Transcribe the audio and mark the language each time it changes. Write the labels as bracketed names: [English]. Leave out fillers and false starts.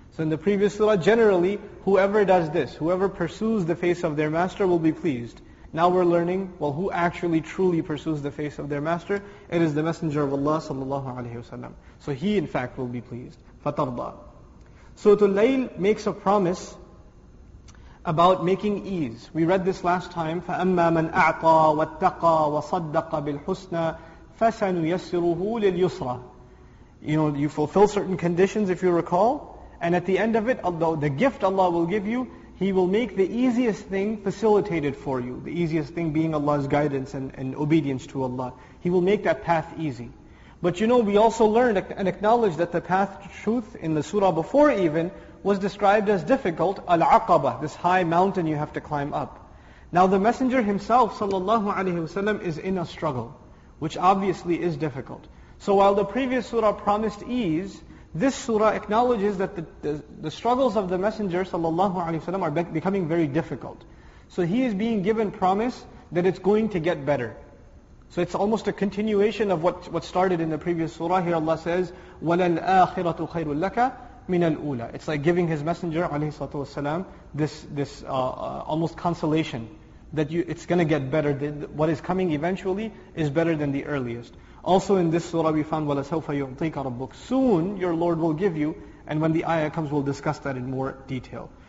[English] So in the previous surah, generally, whoever does this, whoever pursues the face of their Master will be pleased. Now we're learning, well, who actually truly pursues the face of their Master? It is the Messenger of Allah sallallahu alayhi wasallam. So he in fact will be pleased. [Arabic] فَتَرْضَى. [English] Surah Al-Layl makes a promise about making ease. We read this last time, [Arabic] فَأَمَّا مَنْ أَعْطَى وَاتَّقَى وَصَدَّقَ بِالْحُسْنَى فَسَنُيَسِّرُهُ لِلْيُسْرَى. [English] You know, you fulfill certain conditions if you recall, and at the end of it, although the gift Allah will give you, He will make the easiest thing facilitated for you. The easiest thing being Allah's guidance and obedience to Allah. He will make that path easy. But you know, we also learned and acknowledged that the path to truth in the surah before even was described as difficult, al-aqaba, this high mountain you have to climb up. Now the Messenger himself, sallallahu alaihi wasallam, is in a struggle, which obviously is difficult. So while the previous surah promised ease, this surah acknowledges that the struggles of the Messenger, sallallahu alaihi wasallam, are becoming very difficult. So he is being given promise that it's going to get better. So it's almost a continuation of what started in the previous surah. Here Allah says, [Arabic] وَلَلْآخِرَةُ خَيْرٌ لَكَ مِنَ الْأُولَى. [English] It's like giving His Messenger, عليه الصلاة والسلام, this almost consolation, that it's going to get better. What is coming eventually is better than the earliest. Also in this surah we found, [Arabic] وَلَسَوْفَ يُعْطِيكَ رَبُّكَ. [English] Soon your Lord will give you, and when the ayah comes we'll discuss that in more detail.